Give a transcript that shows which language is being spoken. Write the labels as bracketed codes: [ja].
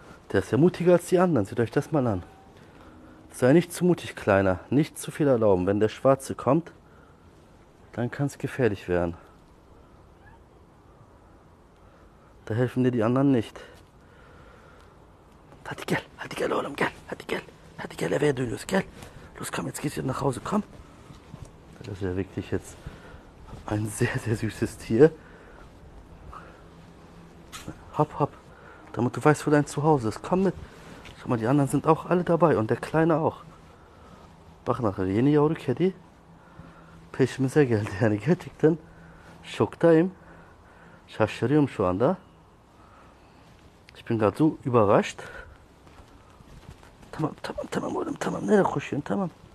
[de] Der ist ja mutiger als die anderen. Seht euch das mal an. Sei nicht zu mutig, Kleiner. Nicht zu viel erlauben. Wenn der Schwarze kommt, dann kann es gefährlich werden. Da helfen dir die anderen nicht. [tr] Hadi gel, hadi gel oğlum gel, hadi gel, hadi gel, eve dönüyoruz gel. [de] Los komm, jetzt geht's wieder nach Hause, komm. Das ist ja wirklich jetzt ein sehr, sehr süßes Tier. Hopp, hopp. Damit du weißt, wo dein Zuhause ist. Komm mit. Schau mal, die anderen sind auch alle dabei. Und der Kleine auch. [tr] Bak [de] nachher, [tr] yeni yavru kedi. Peşimize geldi. Yani gerçekten şoktayım. Şaşırıyorum şu anda. [de] Ich bin gerade so überrascht. [tr] Tamam oğlum, tamam. Nereye koşuyorsun? Tamam.